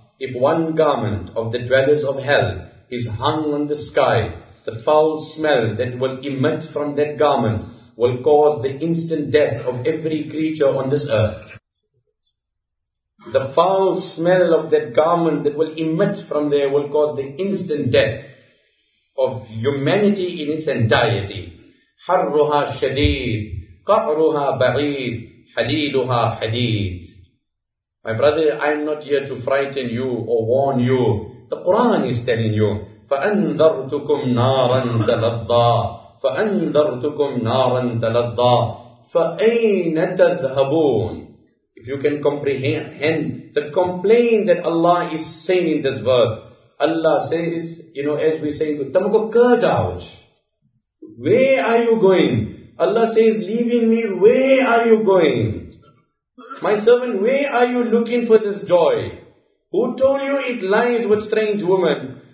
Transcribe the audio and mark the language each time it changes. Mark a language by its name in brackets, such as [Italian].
[English] If one garment of the dwellers of hell is hung on the sky, the foul smell that will emit from that garment will cause the instant death of every creature on this earth. The foul smell of that garment that will emit from there will cause the instant death of humanity in its entirety. [Arabic] حرها شديد قعرها بعيد حديدها حديد. [English] My brother, I am not here to frighten you or warn you. The Quran is telling you. [Arabic] فأنذرتكم نارا تلظى فأنذرتكم نارا تلظى فأين تذهبون. [English] If you can comprehend the complaint that Allah is saying in this verse, Allah says, you know, as we say, [Hindi] tumko kahan jaoge? [English] Where are you going? Allah says, leaving me, where are you going? My servant, where are you looking for this joy? Who told you it lies with strange women?